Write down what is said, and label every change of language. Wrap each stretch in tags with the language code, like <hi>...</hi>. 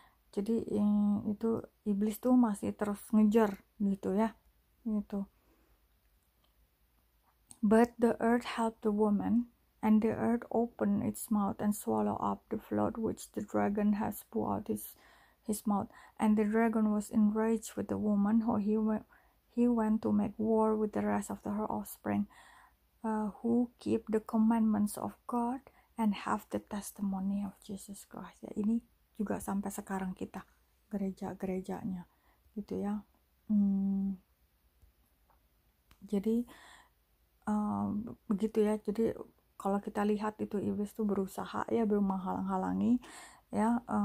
<id>Jadi itu iblis tuh masih terus ngejar gitu ya, gitu.</id> <en>But the earth helped the woman, and the earth opened its mouth and swallow up the flood which the dragon has put out his mouth, and the dragon was enraged with the woman, how he went. He went to make war with the rest of her offspring, who keep the commandments of God and have the testimony of Jesus Christ.</en> <id>Ya, ini juga sampai sekarang kita, gereja-gerejanya, gitu ya. Jadi begitu ya. Jadi kalau kita lihat itu iblis tuh berusaha ya, menghalang-halangi ya.</id>